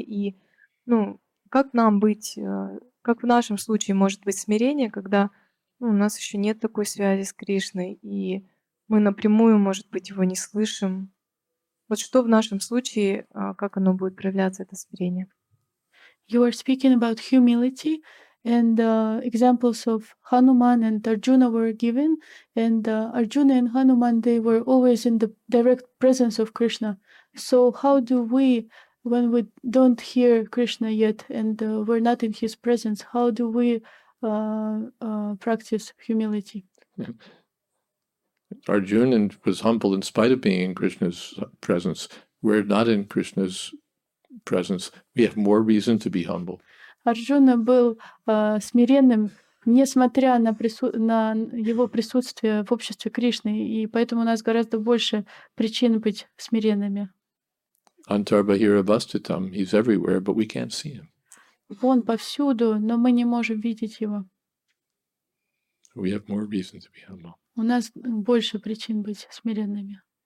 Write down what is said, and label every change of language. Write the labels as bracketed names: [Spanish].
[Russian] И ну, как нам быть, как в нашем случае может быть смирение, когда ну, у нас еще нет такой связи с Кришной, и мы напрямую, может быть, его не слышим. Вот что в нашем случае, как оно будет проявляться, это смирение? [English] You are speaking about humility, and the examples of Hanuman and Arjuna were given, and Arjuna and Hanuman, they were always in the direct presence of Krishna. So how do we, when we don't hear Krishna yet, and we're not in his presence, how do we practice humility? Arjuna was humble in spite of being in Krishna's presence. We're not in Krishna's presence. We have more reason to be humble. [Russian] Arjuna был смиренным, несмотря на его присутствие в обществе Кришны, и поэтому у нас гораздо больше причин быть смиренными. [English] Antarbahiravastitam, he's everywhere, but we can't see him. [Russian] Он повсюду, но мы не можем видеть его. [English] We have more reason to be humble. [Russian] У нас больше причин быть смиренными.